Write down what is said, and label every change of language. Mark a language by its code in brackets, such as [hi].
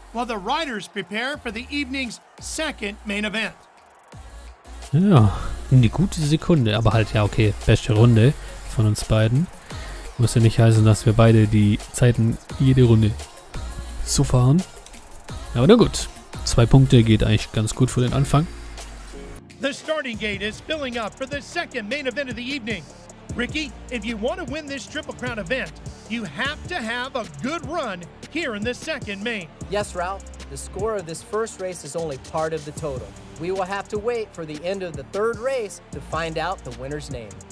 [en] while the riders prepare for the evening's second main event. [de] Ja, eine gute Sekunde, aber halt, ja, okay, beste Runde von uns beiden. Muss ja nicht heißen, dass wir beide die Zeiten jede Runde zu fahren. Aber na gut, 2 Punkte geht eigentlich ganz gut für den Anfang. [en] The starting gate is filling up for the second main event of the evening. Ricky, if you want to win this Triple Crown event, you have to have a good run here in the second main. Yes, Ralph. The score of this first race is only part of the total. We will have to wait for the end of the third race to find out the winner's name.